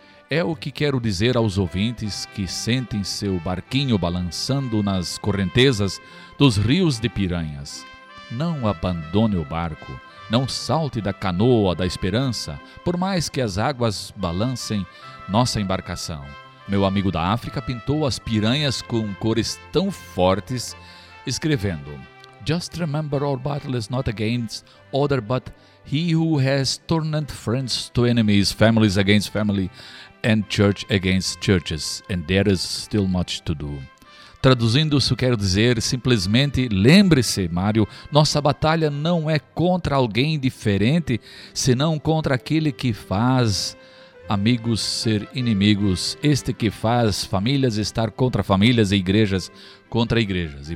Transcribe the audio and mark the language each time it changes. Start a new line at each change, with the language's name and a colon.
Portuguese: É o que quero dizer aos ouvintes que sentem seu barquinho balançando nas correntezas dos rios de Piranhas. Não abandone o barco, não salte da canoa da esperança, por mais que as águas balancem nossa embarcação. Meu amigo da África pintou as piranhas com cores tão fortes, escrevendo:
English: Just remember our battle is not against other, but he who has turned friends to enemies, families against family, and church against churches, and there is still much to do.
Portuguese: Traduzindo isso, quero dizer, simplesmente, lembre-se, Mário, nossa batalha não é contra alguém diferente, senão contra aquele que faz amigos ser inimigos, este que faz famílias estar contra famílias e igrejas contra igrejas.